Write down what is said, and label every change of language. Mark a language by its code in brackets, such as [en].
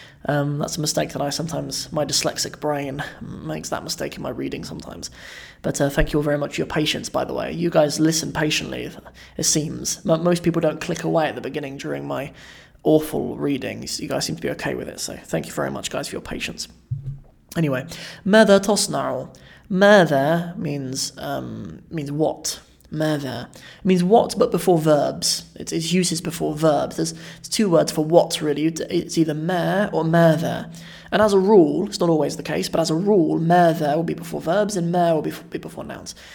[en] That's a mistake that I sometimes, my dyslexic brain makes that mistake in my reading sometimes. But thank you all very much for your patience, by the way. You guys listen patiently, it seems. Most people don't click away at the beginning during my awful readings. You guys seem to be okay with it, so thank you very much, guys, for your patience. [ar] Anyway, ماذا تصنع? [en] ماذا means what? ماذا means what, but before verbs. Its use is before verbs. There's two words for what, really. It's either ما or ماذا. And as a rule, it's not always the case, but as a rule, ماذا will be before verbs and ما will be before nouns.